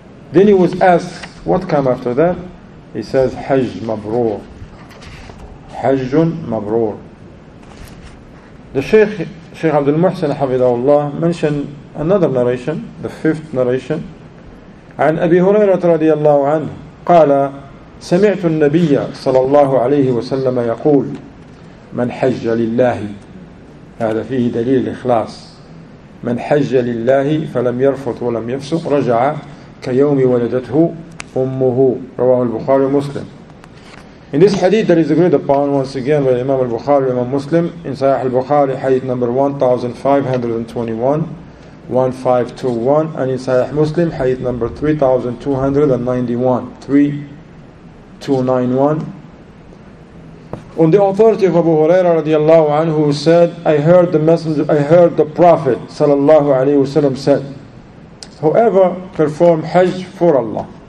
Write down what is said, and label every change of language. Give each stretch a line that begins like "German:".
English: Then he was asked, what came after that? He says, Hajj Mabrur. Hajjun Mabrur. The Shaykh Abdul-Muhsin, Hafidahullah, mentioned another narration, the fifth narration.
Arabic: عن أبي هريرة رضي الله عنه قال, سمعت النبي صلى الله عليه وسلم يقول, من حج لله, هذا فيه دليل الإخلاص, من حج لله فلم يرفث ولم يفسق رجع كيوم ولدته أمه رواه البخاري ومسلم.
English: In this hadith that is agreed upon once again by Imam al-Bukhari and Imam Muslim in Sahih al-Bukhari, hadith number 1521, and in Sahih Muslim, hadith number 3291, on the authority of Abu Huraira radiallahu anhu, said, I heard the Prophet sallallahu alayhi wasallam said, whoever perform Hajj for Allah.